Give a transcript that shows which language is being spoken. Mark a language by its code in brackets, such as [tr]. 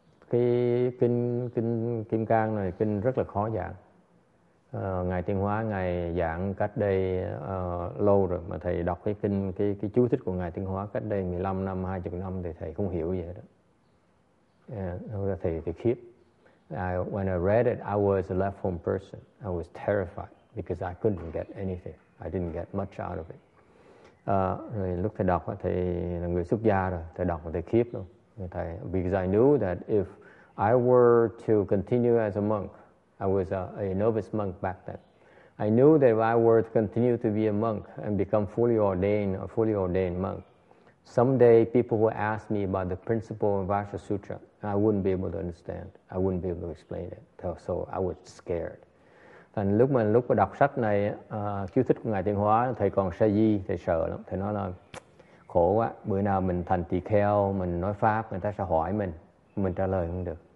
[vi] Cái kinh kinh Kim Cang này kinh rất là khó giảng. Ngài Thiên Hóa ngài giảng cách đây lâu rồi mà thầy đọc cái kinh cái chú thích của ngài Thiên Hóa cách đây 15 năm, 20 năm thì thầy không hiểu gì hết đó. Yeah, thầy khiếp. [en] When I read it, I was a left home person. I was terrified because I couldn't get anything. I didn't get much out of it. [vi] Rồi lúc thầy đọc thì là người xuất gia rồi, thầy đọc thầy khiếp luôn. [en] Because I knew that if I were to continue as a monk, I was a novice monk back then. I knew that if I were to continue to be a monk and become a fully ordained monk, someday people will ask me about the principle of Vajra Sutra, and I wouldn't be able to understand. I wouldn't be able to explain it. So I was scared. [vi] Thành lúc mà đọc sách này, chú thích của ngài Tiên Hóa, thầy còn sa di, thầy sợ lắm. Thầy nói là khổ quá, bữa nào mình thành tỳ kheo, mình nói pháp, người ta sẽ hỏi mình trả lời không được.